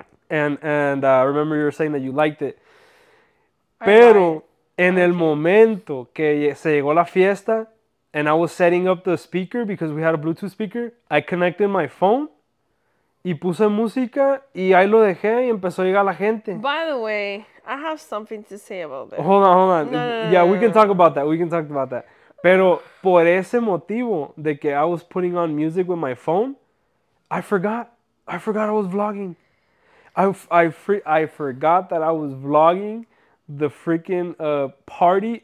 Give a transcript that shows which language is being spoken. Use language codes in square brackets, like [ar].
[en] And I remember you were saying that you liked it. [es] Pero en el momento que se llegó la fiesta... [en] And I was setting up the speaker because we had a Bluetooth speaker. I connected my phone. [es] Y puse música. Y ahí lo dejé y empezó a llegar la gente. [en] By the way, I have something to say about that. Hold on. No, we can talk about that. [es] Pero por ese motivo de que [en] I was putting on music with my phone, I forgot I was vlogging. I forgot that I was vlogging the freaking party.